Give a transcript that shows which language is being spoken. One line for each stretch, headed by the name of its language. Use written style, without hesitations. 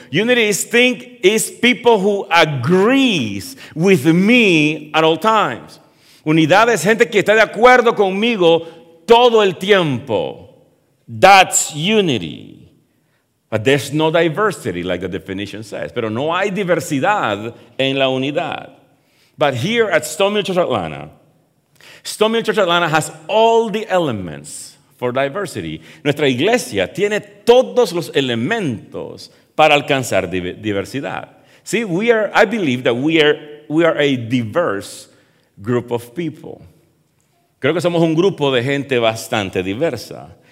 English: Unity is think is people who agrees with me at all times.
Spanish: Unidad es gente que está de acuerdo conmigo todo el tiempo.
English: That's unity. But there's no diversity, like the definition says.
Spanish: Pero no hay diversidad en la unidad.
English: But here at Stone Mill Church Atlanta, Stone Mill Church Atlanta has all the elements for diversity.
Spanish: Nuestra iglesia tiene todos los elementos para alcanzar diversidad.
English: See, I believe that we are a diverse group of people.
Spanish: Creo que somos un grupo de gente bastante diversa.